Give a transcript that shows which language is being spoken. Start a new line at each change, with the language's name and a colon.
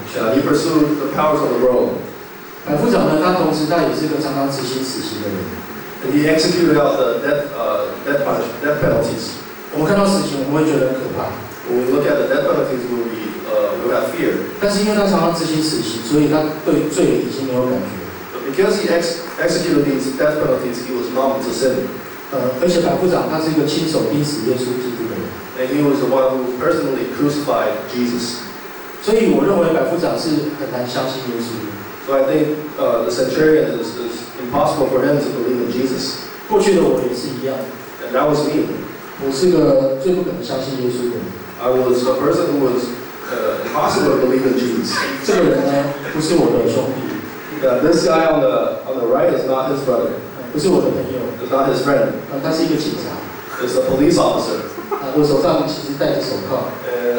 English: Yeah, he pursued the powers of the world.
Chinese: 百夫长呢，他同时他也是个常常执行死刑的人。
English: And he executed out the death penalties.
Chinese: 我们看到死刑，我们会觉得很可怕。
English: When we look at the death penalties, we'll have fear.
Chinese: 但是因为他常常执行死刑，所以他对罪已经没有感觉。
English: Because he executed these death penalties, he was numb to sin.
Chinese: 而且百夫长他是一个亲手钉死耶稣基督的人。
English: And he was the one who personally crucified Jesus.
Chinese: 所以我认为百夫长是很难相信耶稣的。
English: So I think the centurion is impossible for him to believe in Jesus.
Chinese: 过去的我也是一样。And
English: that was me.
Chinese: 我是个最不可能相信耶稣的人。
English: I was a person who was impossible to believe in Jesus.
Chinese: 这个人呢，不是我的兄弟。
English: This guy on the right is not his brother.
Chinese: 不是我的朋友。It's
English: not his friend.
Chinese: 他是一个警察。
English: It's a police officer.
Chinese: 我手上其实戴着手铐。And